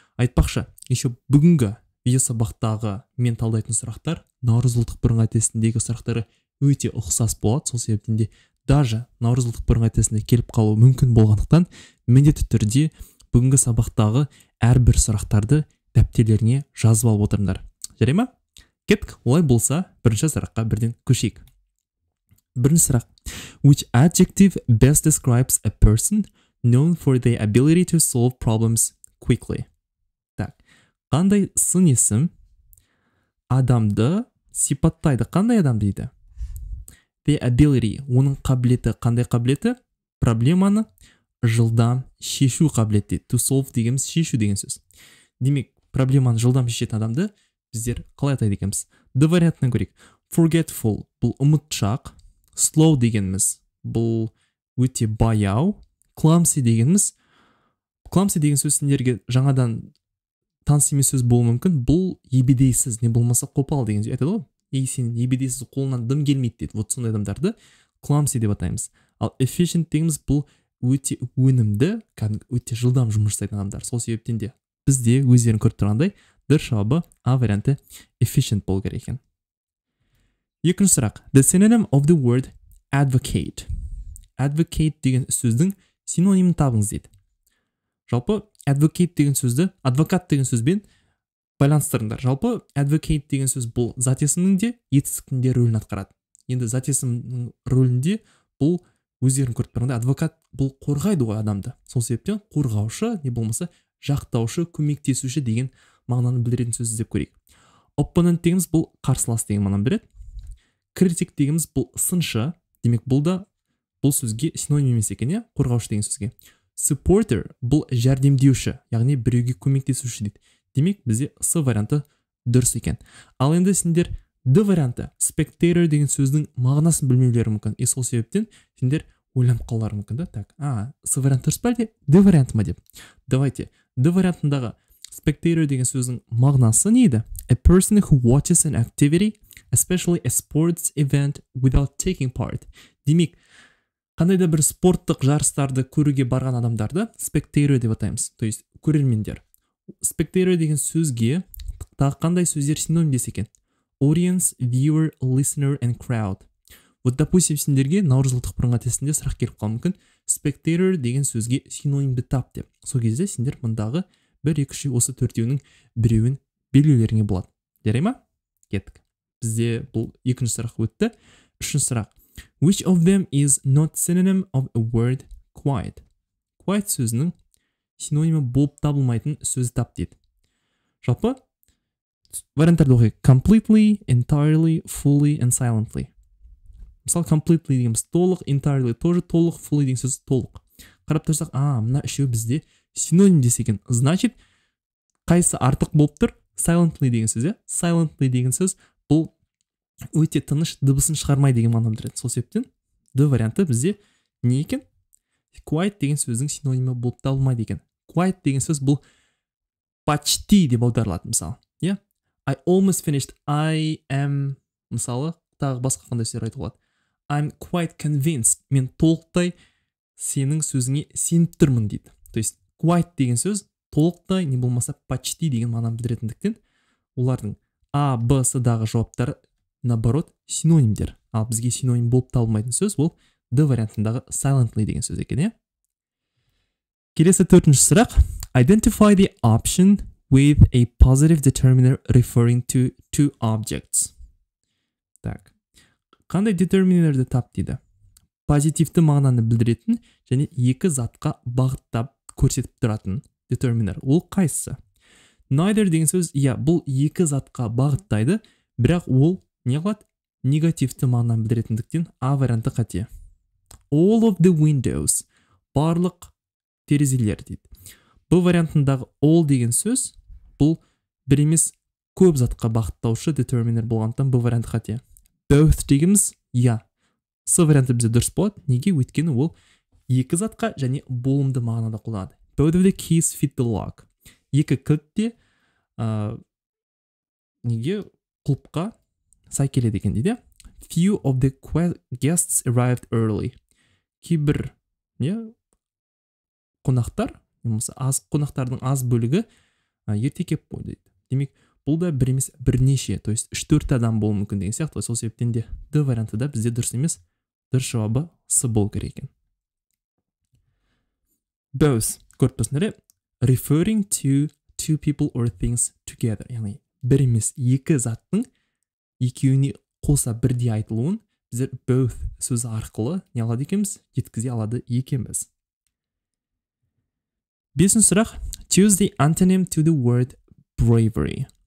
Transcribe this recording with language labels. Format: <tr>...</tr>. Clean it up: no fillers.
<kk>Айтпақшы, еще бүгінгі видеосабақтағы мен талдайтын сұрақтар наурыз ұлттық бірыңғай тестіндегі сұрақтары өте ұқсас болады. Сол себептен де даже наурыз ұлттық бірыңғай тестіне келіп қалуы мүмкін болғандықтан міндетті түрде бүгінгі сабақтағы әрбір сұрақтарды дәптерлеріне жазып алып отырыңдар. Жарай ма? Кеттік. Олай болса, бірінші сұраққа бірден көшейік. Бірінші сұрақ.</kk> <en>Which adjective best describes a person known for their ability to solve problems quickly?</en> <kk>Қандай сын есім адамды сипаттайды? Қандай адам дейді?</kk> <en>The ability.</en> <kk>Оның қабілеті. Қандай қабілеті? Проблеманы жылдам шешу қабілеті.</kk> <en>To solve</en> <kk>дегеніміз шешу деген сөз. Демек, проблеманы жылдам шешетін адамды біздер қалай атайды екенбіз? The вариантынан көрейік. Forgetful. Бұл ұмытшақ. Slow дегеніміз. Бұл өте баяу. Clumsy дегеніміз. Clumsy деген сөз сіздерге жаңадан таныс емес сөз болуы мүмкін. Бұл ебедейсіз, не болмаса қопал деген сөз айтады ғой. Ей, сен ебедейсіз, қолынан дым келмейді дейді. Вот сондай адамдарды clumsy деп атаймыз. Ал efficient дегеніміз бұл өте өнімді, кәдімгі өте жылдам жұмыс жасайтын адамдар. Сол себептен де бізде өздерің көріп тұрғандай дұрыс жауабы А варианты efficient болу керек екен. Екінші сұрақ.</kk> <en>The synonym of the word advocate.</en> <kk>Advocate деген сөздің синонимін табыңыз дейді. Жалпы advocate деген сөзді адвокат деген сөзбен байланыстырыңдар. Жалпы advocate деген сөз бұл зат есімнің де етістіктің де рөлін атқарады. Енді зат есімнің рөлінде бұл өздерің көріп тұрғандай адвокат бұл қорғайды ғой адамды. Сол себептен қорғаушы, не болмаса жақтаушы, көмектесуші деген мағынаны білдіретін сөз деп көрейік. Opponent дегеніміз бұл қарсылас деген мағынаны береді. Critic дегеніміз бұл сыншы. Демек бұл да бұл сөзге синоним емес екен, иә, қорғаушы деген сөзге. Supporter бұл жәрдемдеуші, яғни біреуге көмектесуші дейді. Демек бізде С варианты дұрыс екен. Ал енді сендер Д варианты spectator деген сөздің мағынасын білмеулері мүмкін. И сол себептен сендер ойланып қалуларың мүмкін да. Так, С вариант дұрыс па әлде Д вариант ма деп. Давайте. Д вариантындағы spectator деген сөздің мағынасы не еді?</kk> <en>A person who watches an activity, especially a sports event, without taking part.</en> <kk>Демек қандай да бір спорттық жарыстарды көруге барған адамдарды spectator деп атаймыз.</kk> <ru>То есть</ru> <kk>көрермендер. Spectator деген сөзге тағы қандай сөздер синоним десе екен?</kk> <en>Audience, viewer, listener and crowd.</en> <kk>Вот допустим, сендерге наурыз ұлттық бірыңғай тестінде сұрақ келіп қалуы мүмкін. Spectator деген сөзге синонимді тап деп. Сол кезде сендер мындағы 1-2-3 осы төртеуінің біреуін белгілеріңе болады. Жарай ма? Кеттік. Бізде бұл екінші сұрақ өтті. Үшінші сұрақ.</kk> <en>Which of them is not synonym of a word quiet?</en> <kk>Quiet сөзінің синонимі болып табылмайтын сөзді тап дейді. Жалпы варианттарды оқи.</kk> <en>Completely, entirely, fully and silently.</en> <kk>Мысалы, completely дейміз толық, entirely тоже толық, fully деген сөз толық. Қарап тұрсақ, мына үшеуі бізде синоним десе екен. Значит, қайсы артық болып тұр? Silently деген сөз, silently деген сөз бұл өте тыныш, дыбысын шығармай деген мағынаны береді. Сол себептен Д варианты бізде не екен? Quiet деген сөздің синонимі болып табылмайды екен. Quiet деген сөз бұл почти деп аударылады мысалы. Иә?</kk> <en>I almost finished.</en> <kk>I am мысалы тағы басқа қандай сөздер айтуға болады?</kk> <en>I'm quite convinced.</en> <kk>Мен толықтай сенің сөзіңе сеніп тұрмын дейді.</kk> <ru>То есть</ru> <kk>quite деген сөз толықтай не болмаса почти деген мағынаны білдіретіндіктен олардың А, Б, С-дағы жауаптары наоборот, синонимдер. Ал бізге синоним болып табылмайтын сөз ол D вариантындағы silently деген сөз екен, иә? Келесі төртінші сұрақ.</kk> <en>Identify the option with a positive determiner referring to two objects.</en> <ru>Так.</ru> <kk>Қандай determinerді тап дейді? Позитивті мағынаны білдіретін және екі затқа бағыттап көрсетіп тұратын determiner. Ол қайсысы? Neither деген сөз, иә, бұл екі затқа бағыттайды, бірақ ол не қылады? Негативті мағынаны білдіретіндіктен А варианты қате.</kk> <en>All of the windows.</en> <kk>Барлық терезелер дейді. Б вариантындағы all деген сөз бұл бір емес көп затқа бағыттаушы детерминер болғандықтан бұл вариант қате. Both дегіміз, С варианты бізде дұрыс болады. Неге? Өйткені ол екі затқа және болымды мағынада қолданады.</kk> <en>Both of the keys fit the lock.</en> <kk>Екі кілт те, неге құлпқа сай келеді екен дейді.</kk> <en>Few of the guests arrived early.</en> <kk>Кейбір қонақтар, аз қонақтардың аз бөлігі ерте кеп қойды дейді. Демек, бұл да бір емес бірнеше,</kk> <ru>то есть</ru> <kk>3-4 адам болу мүмкін деген сияқты. Сол себептен де D варианты да бізде дұрыс емес, дұрыс жауабы С болу керек екен.</kk> <en>Both,</en> <kk>көріп тұрсыңдар,</kk> <en>referring to two people or things together.</en> <kk>Яғни, бір емес екі заттың екеуіне қоса бірдей айтылуын біздер both сөзі арқылы не алады екеміз, жеткізе алады екеміз. Бесінші сұрақ,</kk> <en>choose the antonym to the word bravery.</en>